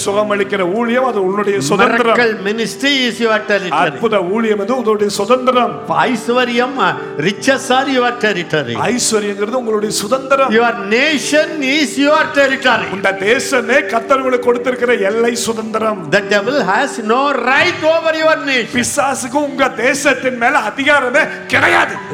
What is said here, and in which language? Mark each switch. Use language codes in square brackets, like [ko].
[ta] சுகம் அளிக்கிற ஊழியம் அது உன்னுடைய சுதந்திரம். [en] Miracle ministry is your territory. [ta] அற்புத ஊழியம் அது உன்னுடைய சுதந்திரம். [en] ஐஸ்வரியம் riches are your territory. [ta] ஐஸ்வரியங்கிறது உங்களுடைய சுதந்திரம். [en] Your nation is your territory. [ta] உங்க தேசமே கர்த்தர் உங்களுக்கு கொடுத்திருக்கிற எல்லை சுதந்திரம். [en] The devil has no right over your nation. [ta] பிசாசுக்கு உங்க தேசத்தின் மேல அதிகாரமே கிடையாது.